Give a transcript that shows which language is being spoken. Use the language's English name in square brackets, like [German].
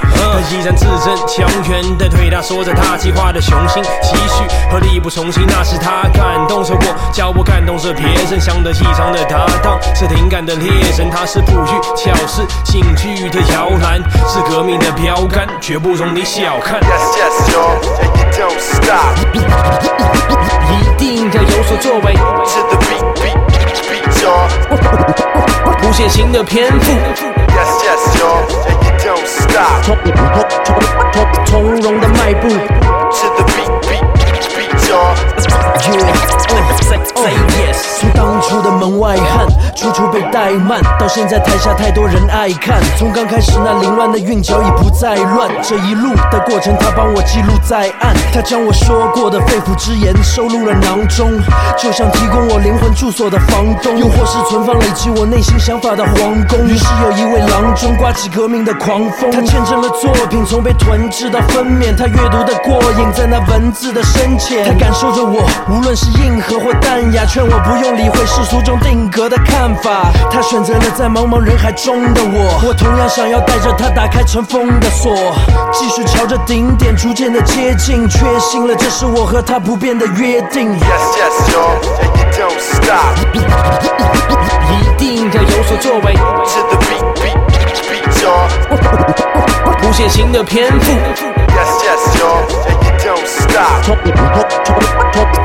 [Chinese] 他依然自证强权的对他说着他计划的雄心期许和力不从心，那是他感动着我教我感动着别人，想得起床的搭档是灵感的猎人，他是普玉巧思警句的摇篮，是革命的标杆，绝不容你小看。 [English] Yes, yes, yo, and you don't stop. [Chinese] 一定要有所作为。 [English] To the beat, beat, beat, yo. [Chinese] 不限行的篇幅。 [English] Yes, yes, yo, and you don't stop. [Chinese] 从容的迈步。 [English] To the beat, beat, beat, yo. [Chinese] Yes. 从当初的门外汉，处处被怠慢，到现在台下太多人爱看。从刚开始那凌乱的韵脚已不再乱，这一路的过程他帮我记录在案，他将我说过的肺腑之言收录了囊中，就像提供我灵魂住所的房东，又或是存放累积我内心想法的皇宫。于是有一位郎中刮起革命的狂风，他见证了作品从被囤置到分娩，他阅读的过瘾在那文字的深浅，他感受着我无论是硬核或淡雅，劝我不用理会世俗中定格的看法。他选择了在茫茫人海中的我，我同样想要带着他打开尘封的锁，继续朝着顶点逐渐的接近，确信了这是我和他不变的约定。 [English] Yes, yes, yo, and you don't stop. [Chinese] 一定要有所作为。 [English] To the beat, beat, beat, yo. [Chinese] 不限行的篇幅。 [English] Yes, yes, yo, and you don't stop.